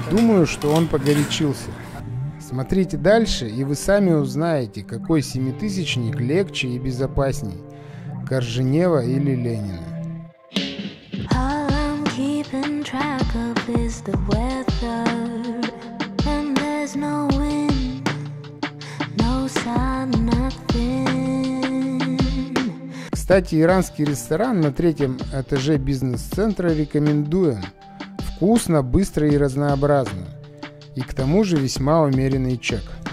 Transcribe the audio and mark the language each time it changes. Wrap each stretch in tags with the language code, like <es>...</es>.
<ru>Думаю, что он погорячился. Смотрите дальше, и вы сами узнаете, какой 7000-ник легче и безопасней. Корженева или Ленина.</ru> <en>Keeping track of is the weather, and there's no wind, no sun, nothing.</en> <ru>Кстати, иранский ресторан на третьем этаже бизнес-центра рекомендуем. Вкусно, быстро и разнообразно. И к тому же весьма умеренный чек.</ru>